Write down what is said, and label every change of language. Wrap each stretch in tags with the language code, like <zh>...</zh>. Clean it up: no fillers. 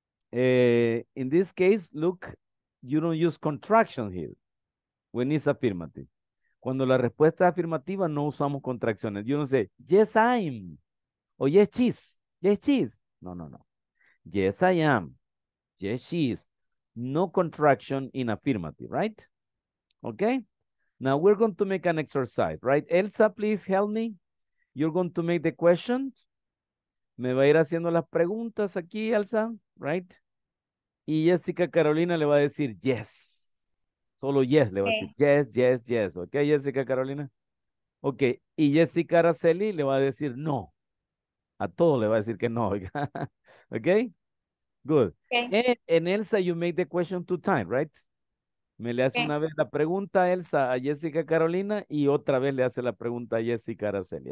<en>In this case, look, you don't use contraction here when it's affirmative.</en> <es>Cuando la respuesta es afirmativa, no usamos contracciones.</es> <en>You don't say, yes, I'm. Or yes, she's. Yes, she's. No, no, no. Yes, I am. Yes, she is. No contraction in affirmative, right? Okay. Now we're going to make an exercise, right? Elsa, please help me. You're going to make the questions.</en> <es>Me va a ir haciendo las preguntas aquí, Elsa,</es> <en>right?</en> <es>Y Jessica Carolina le va a decir yes. Solo yes le va a decir.</es> <en>Yes, yes, yes.</en> <es>Okay, Jessica Carolina. Okay. Y Jessica Araceli le va a decir no. A todo le va a decir que no.</es> <en>Okay? Good. Okay. And Elsa, you make the question two times, right?</en> <es>Me le hace una vez la pregunta a Elsa a Jessica Carolina y otra vez le hace la pregunta a Jessica Araceli.</es>